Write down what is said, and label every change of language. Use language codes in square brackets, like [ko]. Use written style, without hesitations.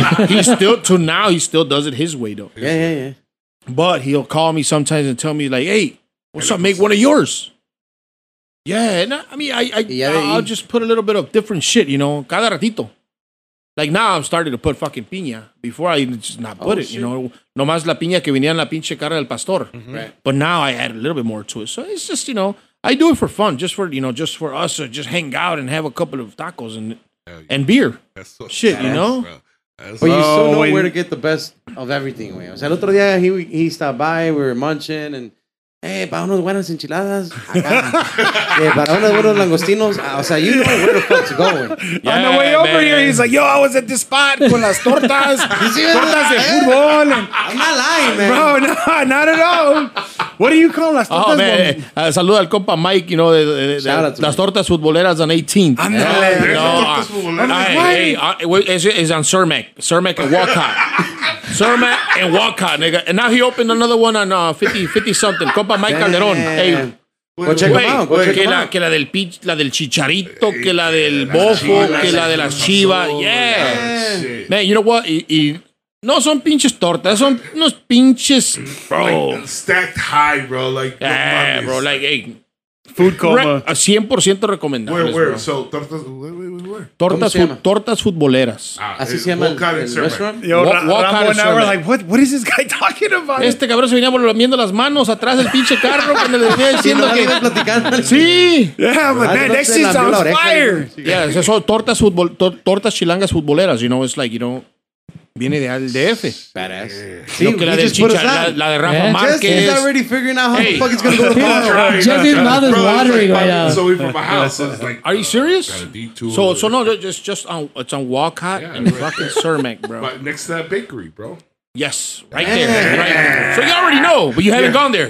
[en] He still, to now, he still does it his way, though. Yeah. But he'll call me sometimes and tell me, like, hey, what's up? Make one of yours. Yeah. I'll just put a little bit of different shit, you know, [es] cada ratito. [en] Like, now I'm starting to put fucking piña. Before, I just not put it, you know. [es] Nomás la piña que venía en la pinche cara del pastor. [en] Mm-hmm. Right. But now I add a little bit more to it. So it's just, you know, I do it for fun. Just for, you know, just for us to just hang out and have a couple of tacos and beer. That's so shit, you know. But you still know where to get the best of everything. [es] Wey. O sea, el otro día [en] he stopped by. We were munching and... Hey, [es] para unos buenas enchiladas. Yeah, para unos buenos langostinos. O sea, [en] you know where the fuck's going. Yeah, on the way over here, he's like, yo, I was at this spot [es] con las tortas. Tortas de fútbol. [en] I'm not lying, man. Bro, no, not at all. What do you call [es] las tortas? [en] Oh, man. [es] Saluda al compa Mike, [en] you know, [es] las tortas futboleras on 18th. Andale. [en] It's on Cermac and Walcott. Cermac and Walcott, nigga. And now he opened another one on 50-something. [es] Compa Mike Calderón. Hey. [en] Well, check them out. [es] Que la del pitch, la del chicharito, que la del bofo, que la de las chivas. [en] Yeah. Man, you know what? [es] No son pinches tortas, son unos pinches, bro. [en] Like, stacked high, bro. Like, yeah, bro. Like, hey. Food coma. [es] A 100% recomendable. [en] Where? So, tortas. Where? [es] Tortas futboleras. Así se llama. [en] Walcott and Sermon. We're like, what is this guy talking about? [es] Este cabrón se venía volviendo las manos atrás del pinche carro cuando le venía diciendo que. Sí. [en] Yeah, but man, next thing sounds fire. Yeah, so [es] tortas chilangas futboleras, [en] you know, it's like, you know. [es] Viene de al DF. [en] Badass. [es] Sí, que la del chicha, la de Rafa Márquez. [en] Jess is already figuring out how the fuck it's going to go. Jess's mouth is watering right now. So we're from a house. Like, are you serious? So no, it's on Walcott and fucking Cermak, bro. But next to that bakery, bro. Yes, right there. Right. So you already know, but you haven't gone there.